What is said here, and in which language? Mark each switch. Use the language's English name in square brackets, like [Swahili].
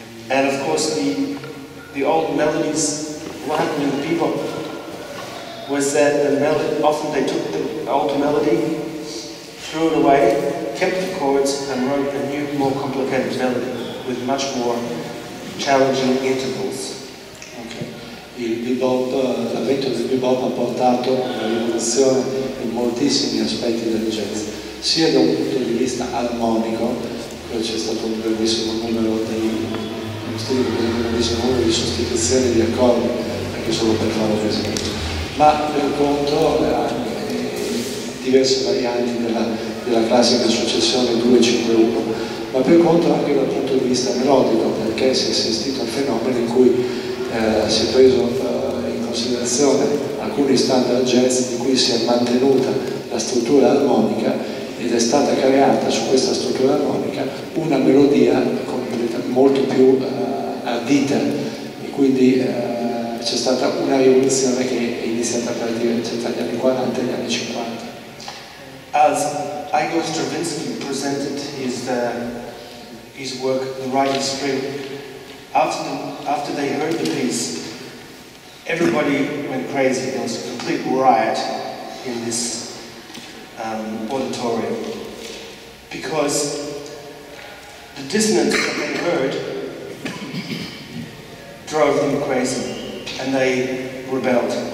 [English] And of course the old melodies, what happened in the bebop was that often they took the old melody, threw it away, kept the chords and wrote a new, more complicated melody with much more challenging intervals. Okay. [Italian] Il bebop, l'avvento del bebop ha portato una rivoluzione in moltissimi aspetti del jazz, sia da un punto di vista armonico, qui c'è stato un grandissimo numero di sostituzioni di accordi, anche solo per fare un esempio, ma per contro anche diverse varianti della classica successione 2-5-1, ma per contro anche dal punto di vista melodico, perché si è assistito al fenomeno in cui si è preso in considerazione alcuni standard jazz di cui si è mantenuta la struttura armonica ed è stata creata su questa struttura armonica una melodia molto più ardita, e quindi c'è stata una rivoluzione che è iniziata a partire dagli anni 40 e gli anni 50. [English] As Igor Stravinsky presented his work, The Rite of Spring, after they heard the piece, everybody went crazy. There was a complete riot in this auditorium, because the dissonance that they heard drove them crazy, and they rebelled.